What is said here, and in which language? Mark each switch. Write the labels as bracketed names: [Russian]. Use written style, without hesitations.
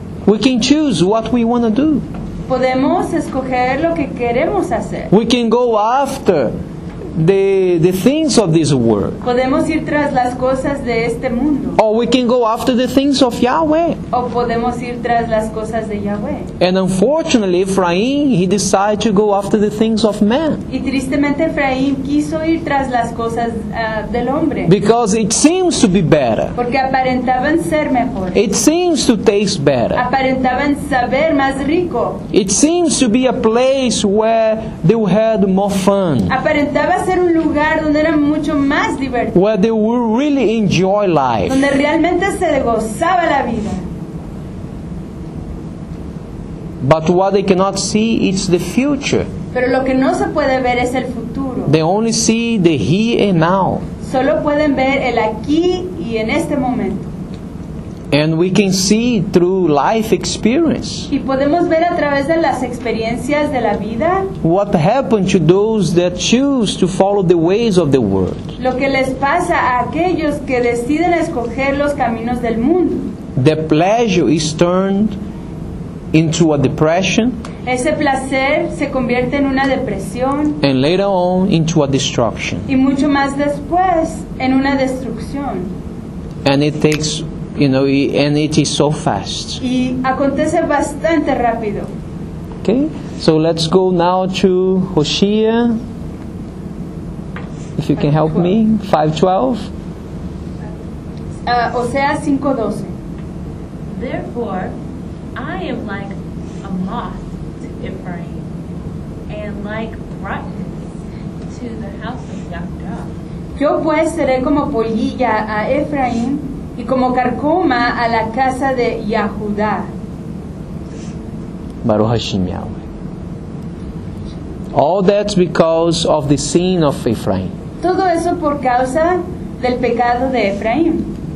[English] We can choose what we want to do. [Spanish] Podemos escoger lo que queremos hacer. [English] We can go after the things of this world. [Spanish] Podemos ir tras las cosas de este mundo. [English] Or we can go after the things of Yahweh. [Spanish] O podemos ir tras las cosas de Yahweh. [English] And unfortunately, Ephraim, he decided to go after the things of man. [Spanish] Y tristemente Ephraim quiso ir tras las cosas del hombre. [English] Because it seems to be better. [Spanish] Porque aparentaban ser mejor. [English] It seems to taste better. [Spanish] Aparentaban saber más rico. [English] It seems to be a place where they had more fun. [Spanish] Va a ser un lugar donde era mucho más divertido. [English] Where they will really enjoy life. [Spanish] Donde realmente se gozaba la vida. [English] But what they cannot see is the future. [Spanish] Pero lo que no se puede ver es el futuro. [English] They only see the here and now. [Spanish] Solo pueden ver el aquí y en este momento. [English] And we can see through life experience. [Spanish] Y podemos ver a través de las experiencias de la vida. [English] What happened to those that choose to follow the ways of the world? [Spanish] Lo que les pasa a aquellos que deciden escoger los caminos del mundo. [English] The pleasure is turned into a depression. [Spanish] Ese placer se convierte en una depresión. [English] And later on into a destruction. [Spanish] Y mucho más después en una destrucción. [English] And it takes, you know, and it is so fast. [Spanish] Y acontece bastante rápido. [English] Okay, so let's go now to Hosea. If you can help me, 5:12. Hosea 5:12. Therefore, I am like a moth to Ephraim, and like brightness to the house of Jacob. [Spanish] Yo pues seré como polilla a Ephraim, y como carcoma a la casa de Yehudá. [Hebrew] Baruch Hashem Yahweh. [English] All that's because of the sin of Ephraim. [Spanish] Todo eso por causa del pecado de Ephraim.